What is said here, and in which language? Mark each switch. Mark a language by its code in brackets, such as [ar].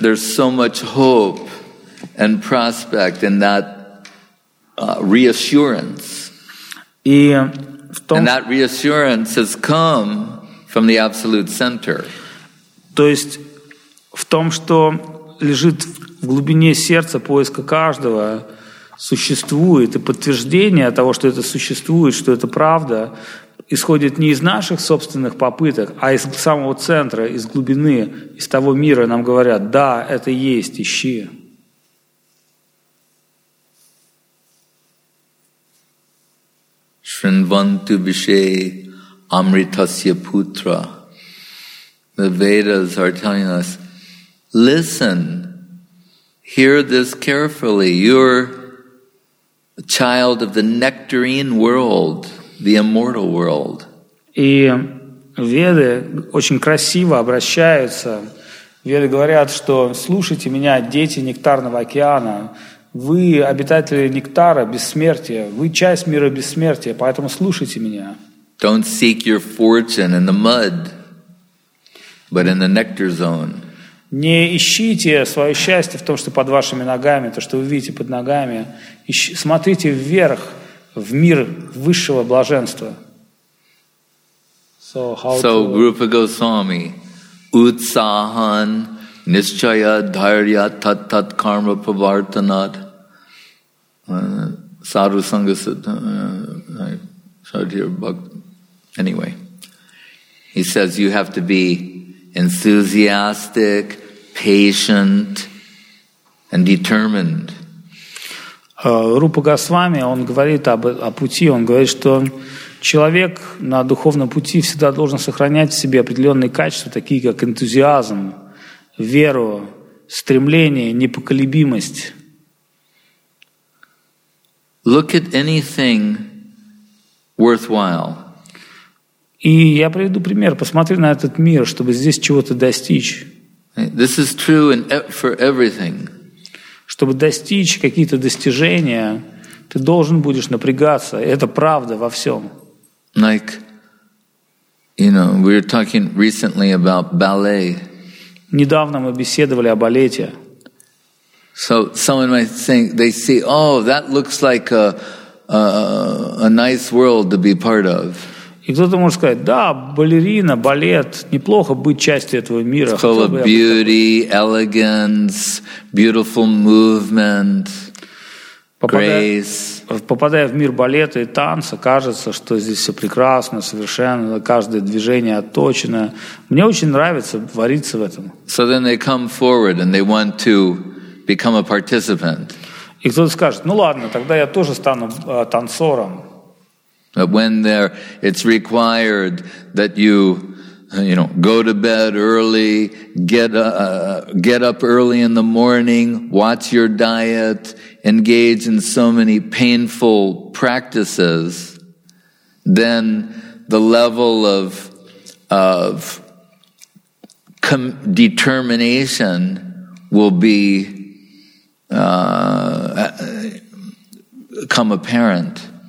[en] There's so much hope and prospect in that reassurance. And that reassurance has come from the absolute center. [ru] То есть в том, что лежит в глубине сердца поиска каждого. Существует, и подтверждение того, что это существует, что это правда, исходит не из наших собственных попыток, а из самого центра, из глубины, из того мира, нам говорят, да, это есть, ищи. [sa] Шринвантю бишей амритасья путра. [en] The Vedas are telling us, listen, hear this carefully, you're a child of the nectarine world, the immortal world. [ru] И веды очень красиво обращаются. Веды говорят, что слушайте меня, дети нектарного океана. Вы обитатели нектара, бессмертия. Вы часть мира бессмертия, поэтому слушайте меня. [en] Don't seek your fortune in the mud, but in the nectar zone. [ru] Не ищите свое счастье в том, что под вашими ногами, то, что вы видите под ногами. Смотрите вверх, в мир высшего блаженства. [sa] So, Rupa Goswami, Utsahan, Nishchaya, Dharya, Tat Tat Karma, Pavartanat, Sadhu Sangha Siddha, [en] I showed your book. Anyway, he says you have to be enthusiastic, patient and determined. [ru] Рупа Госвами, он говорит о пути, он говорит, что человек на духовном пути всегда должен сохранять в себе определенные качества, такие как энтузиазм, веру, стремление, непоколебимость. [en] Look at anything worthwhile. [ru] И я приведу пример. Посмотри на этот мир, чтобы здесь чего-то достичь. [en] This is true in for everything. [ru] Чтобы достичь какие-то достижения, ты должен будешь напрягаться. Это правда во всем. [en] Like, you know, we were talking recently about ballet. [ru] Недавно мы беседовали о балете. [en] So someone might think they see, oh, that looks like a nice world to be part of. [ru] И кто-то может сказать, да, балерина, балет, неплохо быть частью этого мира. [en] It's full of beauty, elegance, beautiful movement, grace. [ru] Попадая в мир балета и танца, кажется, что здесь все прекрасно, совершенно, каждое движение отточено. Мне очень нравится вариться в этом. [en] So then they come forward and they want to become a participant. [ru] И кто-то скажет, ну ладно, тогда я тоже стану танцором. [en] But when there, it's required that you go to bed early, get up early in the morning, watch your diet, engage in so many painful practices, then the level of determination will be come apparent.